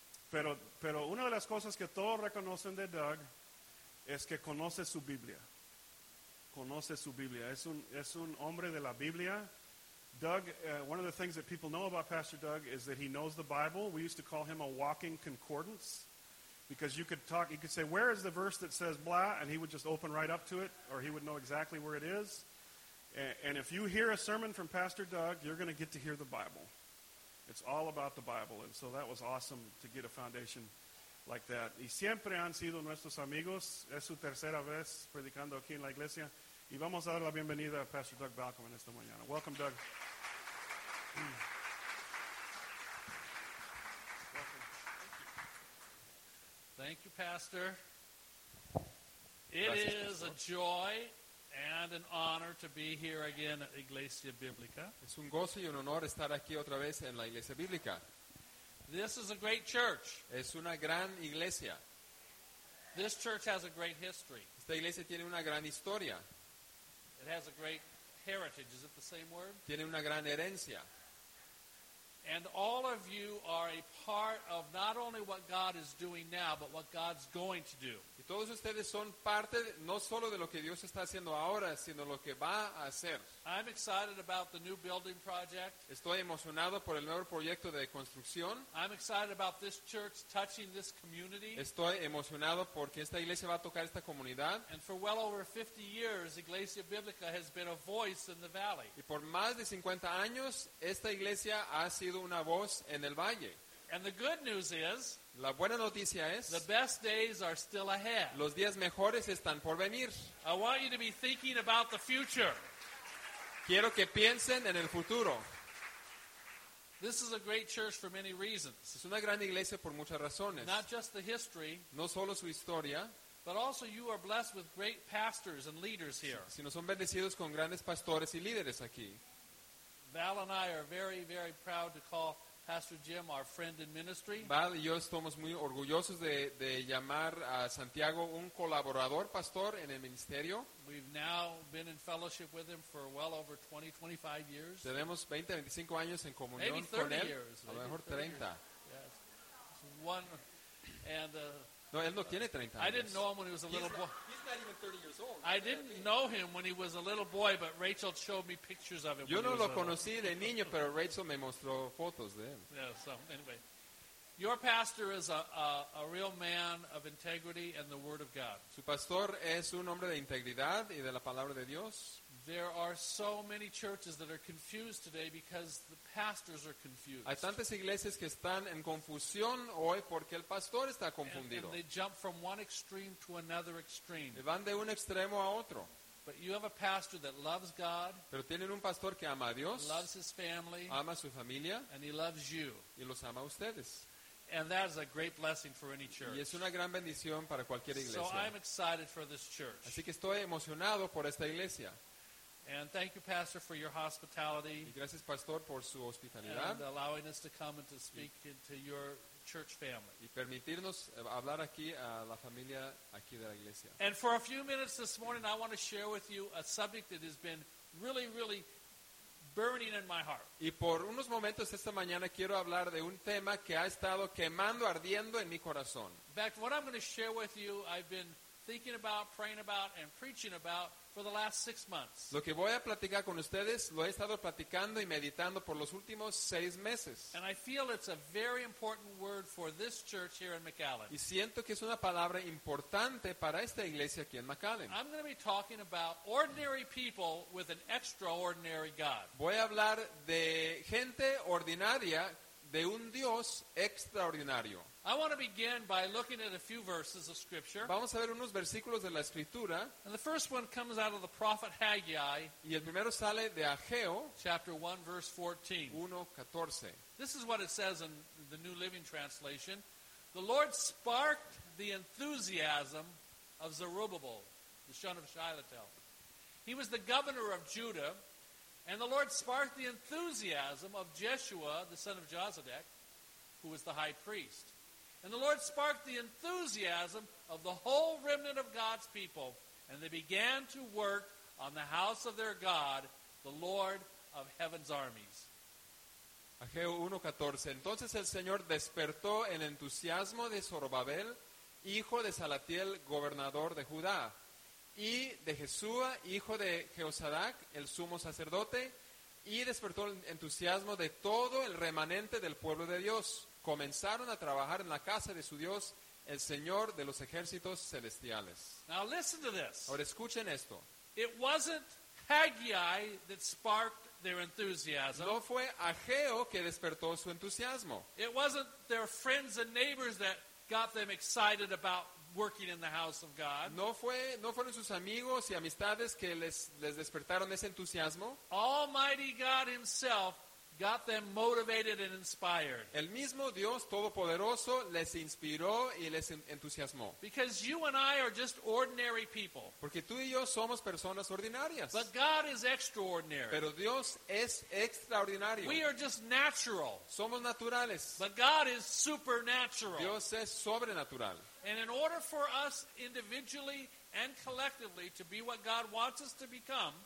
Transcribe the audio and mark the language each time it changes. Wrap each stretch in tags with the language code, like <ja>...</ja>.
<es>Pero una de las cosas que todos reconocen de Doug es que conoce su Biblia. Conoce su Biblia. Es un hombre de la Biblia.</es> <en>Doug, one of the things that people know about Pastor Doug is that he knows the Bible. We used to call him a walking concordance because you could say, where is the verse that says blah? And he would just open right up to it, or he would know exactly where it is. And if you hear a sermon from Pastor Doug, you're going to get to hear the Bible. It's all about the Bible, and so that was awesome to get a foundation like that.</en> <es>Y siempre han sido nuestros amigos. Es su tercera vez predicando aquí en la iglesia. Y vamos a dar la bienvenida a Pastor Doug Balcom en esta mañana.</es> <en>Welcome, Doug. Thank you, Pastor. It is a joy and an honor to be here again at Iglesia Biblica.</en> <es>Es un gozo y un honor estar aquí otra vez en la Iglesia Biblica.</es> <en>This is a great church.</en> <es>Es una gran iglesia.</es> <en>This church has a great history.</en> <es>Esta iglesia tiene una gran historia.</es> <en>It has a great heritage. Is it the same word?</en> <es>Tiene una gran herencia.</es> <en>And all of you are a part of not only what God is doing now, but what God's going to do.</en> <es>Y todos ustedes son parte no solo de lo que Dios está haciendo ahora, sino lo que va a hacer.</es> <en>I'm excited about the new building project.</en> <es>Estoy emocionado por el nuevo proyecto de construcción.</es> <en>I'm excited about this church touching this community.</en> <es>Estoy emocionado porque esta iglesia va a tocar esta comunidad.</es> <en>And for well over 50 years, Iglesia Biblica has been a voice in the valley.</en> <es>Y por más de 50 años, esta iglesia ha sido una voz en el valle.</es> <en>And the good news is,</en> <es>la buena noticia es,</es> <en>the best days are still ahead.</en> <es>Los días mejores están por venir.</es> <en>I want you to be thinking about the future.</en> <es>Quiero que piensen en el futuro.</es> <en>This is a great church for many reasons.</en> <es>Es una gran iglesia por muchas razones.</es> <en>Not just the history,</en> <es>no solo su historia,</es> <en>but also you are blessed with great pastors and leaders here.</en> <es>Sino son bendecidos con grandes pastores y líderes aquí.</es> <en>Val and I are very, very proud to call Pastor Jim our friend in ministry.</en> <es>Val y yo estamos muy orgullosos de llamar a Santiago un colaborador pastor en el ministerio.</es> <en>We've now been in fellowship with him for well over 20-25 years.</en> <es>Tenemos 20-25 años en comunión</es> <en>maybe 30</en> <es>con él.</es> <en>Years,</en> <es>a lo mejor 30.</es> <en>Yes. One, and,</en> <es>no, él no tiene 30 años.</es> <en>I didn't know him when he was a little boy. He's not even 30 years old. I didn't know him when he was a little boy, but Rachel showed me pictures of him.</en> <es>Yo no lo conocí de niño, pero Rachel me mostró fotos de él.</es> <en>Yeah, so anyway. Your pastor is a real man of integrity and the word of God.</en> <es>Su pastor es un hombre de integridad y de la palabra de Dios.</es> <en>There are so many churches that are confused today because the pastors are confused.</en> <es>Hay tantas iglesias que están en confusión hoy porque el pastor está confundido.</es> <en>And they jump from one extreme to another extreme.</en> <es>Y van de un extremo a otro.</es> <en>But you have a pastor that loves God.</en> <es>Pero tienen un pastor que ama a Dios.</es> <en>Loves his family.</en> <es>Ama su familia.</es> <en>And he loves you.</en> <es>Y los ama a ustedes.</es> <en>And that is a great blessing for any church.</en> <es>Y es una gran bendición para cualquier iglesia.</es> <en>So I'm excited for this church.</en> <es>Así que estoy emocionado por esta iglesia.</es> <en>And thank you, Pastor, for your hospitality.</en> <es>Y gracias, pastor, por su hospitalidad.</es> <en>And allowing us to come and to speak into your church family.</en> <es>Y permitirnos hablar aquí a la familia aquí de la iglesia.</es> <en>And for a few minutes this morning, I want to share with you a subject that has been really, really burning in my heart.</en> <es>Y por unos momentos esta mañana quiero hablar de un tema que ha estado quemando, ardiendo en mi corazón.</es> <en>In fact, what I'm going to share with you, I've been thinking about, praying about, and preaching about for the last 6 months.</en> <es>Lo que voy a platicar con ustedes, lo he estado platicando y meditando por los últimos 6 meses.</es> <en>And I feel it's a very important word for this church here in McAllen.</en> <es>Y siento que es una palabra importante para esta iglesia aquí en McAllen.</es> <en>I'm going to be talking about ordinary people with an extraordinary God.</en> <es>Voy a hablar de gente ordinaria de un Dios extraordinario.</es> <en>I want to begin by looking at a few verses of Scripture.</en> <es>Vamos a ver unos versículos de la Escritura.</es> <en>And the first one comes out of the prophet Haggai.</en> <es>Y el primero sale de Ageo.</es> <en>Chapter 1, verse 14.</en> <es>1:14.</es> <en>This is what it says in the New Living Translation. The Lord sparked the enthusiasm of Zerubbabel, the son of Shealtiel. He was the governor of Judah. And the Lord sparked the enthusiasm of Jeshua, the son of Jozadak, who was the high priest. And the Lord sparked the enthusiasm of the whole remnant of God's people, and they began to work on the house of their God, the Lord of heaven's armies.</en> <es>Ageo 1:14. Entonces el Señor despertó el entusiasmo de Zorobabel, hijo de Salatiel, gobernador de Judá, y de Jesúa, hijo de Jehozadac, el sumo sacerdote, y despertó el entusiasmo de todo el remanente del pueblo de Dios. Comenzaron a trabajar en la casa de su Dios, el Señor de los ejércitos celestiales.</es> <en>Now listen to this.</en> <es>Ahora escuchen esto.</es> <en>It wasn't Haggai that sparked their enthusiasm.</en> <es>No fue Ageo que despertó su entusiasmo.</es> <en>It wasn't their friends and neighbors that got them excited about working in the house of God.</en> <es>No fueron sus amigos y amistades que les despertaron ese entusiasmo.</es> <en>Almighty God himself got them motivated and inspired.</en> <es>El mismo Dios Todopoderoso les inspiró y les entusiasmó.</es> <en>Because you and I are just ordinary people.</en> <es>Porque tú y yo somos personas ordinarias.</es> <en>But God is extraordinary.</en> <es>Pero Dios es extraordinario.</es> <en>We are just natural.</en> <es>Somos naturales.</es> <en>But God is supernatural.</en> <es>Dios es sobrenatural.</es> <en>And in order for us individually and collectively to be what God wants us to become,</en>